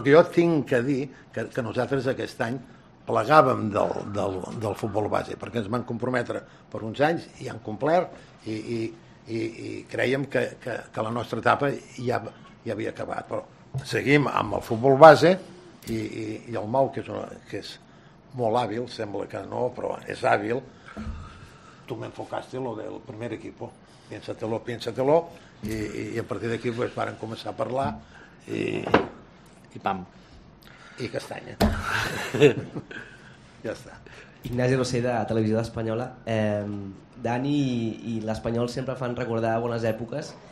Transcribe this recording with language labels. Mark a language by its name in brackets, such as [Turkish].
[Catalan] Perquè jo tinc que dir que nosaltres aquest any plegàvem del futbol base, perquè ens van comprometre per uns anys i han complert i creiem que la nostra etapa ja havia acabat. Però seguim amb el futbol base i el Mau, que és molt hàbil, sembla que no, però és hàbil. [Spanish] Tu m'enfocaste lo del primer equipo. Piénsatelo. [Catalan] I a partir d'aquí pues, varen començar a parlar i pam. I castanya. Ja està. Ignasi Rosell, de Televisió d'Espanyola. Dani i l'Espanyol sempre fan recordar bones èpoques.